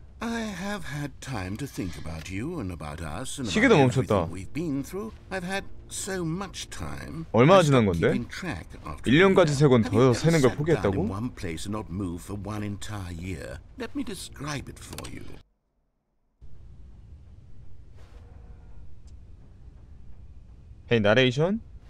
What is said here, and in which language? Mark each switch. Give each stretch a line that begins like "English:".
English: I have had time to think about you and about us and about everything we've been through. I've had so much time.
Korean: 얼마나 지난 건데? 1년까지 세 건 더 세는 걸 포기했다고?
English: In one place and not move for one entire year. Let me describe it for you. Hey, narration?